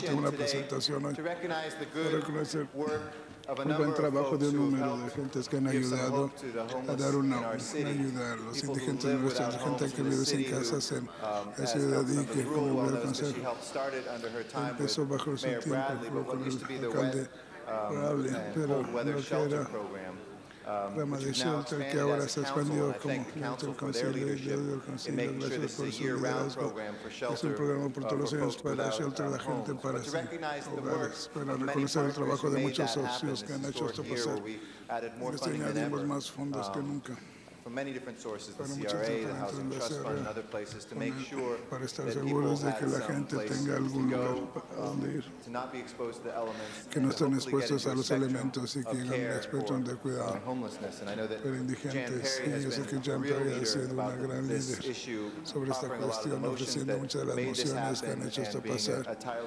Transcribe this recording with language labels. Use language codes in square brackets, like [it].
[es] Tengo una presentación hoy para reconocer el buen trabajo de un número de gentes que han ayudado a dar una ayuda a los indigentes de nuestra gente que vive sin casas en la ciudad y que, como el Consejo, empezó bajo su tiempo con el alcalde Bradley, pero lo que era Rama de Shelter, que ahora se ha expandido como el Consejo de Ayuda del Consejo, gracias por su liderazgo. Es un programa por todos los años para shelter la gente para sus hogares, para reconocer el trabajo de muchos socios que han hecho esto pasar. Les añadimos más fondos que nunca. [en] From many different sources, the CRA, the Housing Trust Fund, and other places, to make sure [es] para estar seguros de que la gente tenga algún lugar donde ir, [en] to not be exposed to the elements, [es] que no estén expuestos a los elementos y que tengan un espectro de cuidado para indigentes. Y yo sé que Jan Perry ha sido una gran líder sobre esta cuestión, ofreciendo muchas de las mociones que han hecho esto pasar.